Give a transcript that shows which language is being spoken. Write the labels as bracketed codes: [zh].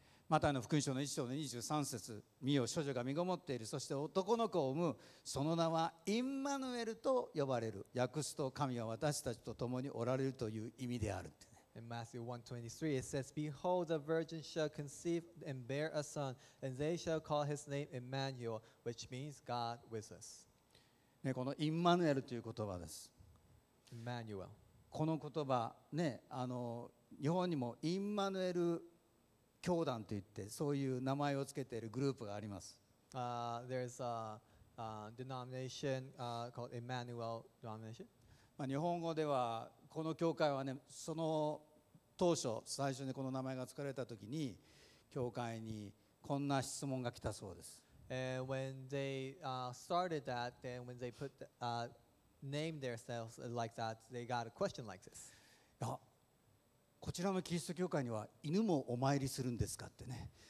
[ja] マタイの福音書の1章の23節、見よ、処女が身ごもっている、そして男の子を産む、その名はインマヌエルと呼ばれる、訳すと神は私たちと共におられるという意味であるって、ね。 [en] In Matthew 1:23, it says, Behold, the virgin shall conceive and bear a son, and they shall call his name Emmanuel, which means God with us.、 [ja] ね、このインマヌエルという言葉です。 [en] Emmanuel。 [ja] この言葉、ね、あの日本にもインマヌエル教団といってそういう名前をつけているグループがあります。 [en] There's a denomination called Emmanuel Denomination. [ja] まあ日本語ではこの教会はね、その当初最初にこの名前が付かれたときに教会にこんな質問が来たそうです。 [en] When they started that, then when they put name themselves like that, they got a question like this. [ja] こちらのキリスト教会には犬もお参りするんですかってね。